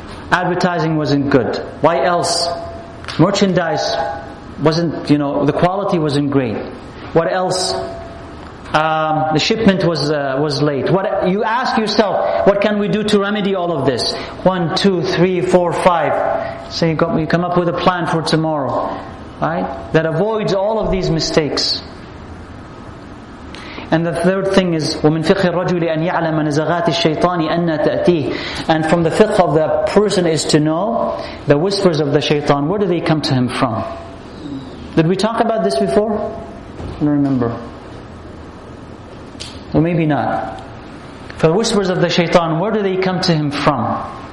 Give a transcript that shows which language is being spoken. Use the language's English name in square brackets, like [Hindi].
[English] Advertising wasn't good. Why else? Merchandise wasn't, you know, the quality wasn't great. What else? The shipment was late. What, you ask yourself, what can we do to remedy all of this? 1, 2, 3, 4, 5. So you come up with a plan for tomorrow, right? That avoids all of these mistakes. And the third thing is, [Arabic] وَمِنْ فِقْهِ الرَّجُلِ أَنْ يَعْلَمَ نَزَغَاتِ الشَّيْطَانِ أَنَّ تَأْتِيهِ. [English] And from the fiqh of the person is to know the whispers of the shaitan, where do they come to him from? Did we talk about this before? I don't remember. Well, maybe not. For the whispers of the shaitan, where do they come to him from?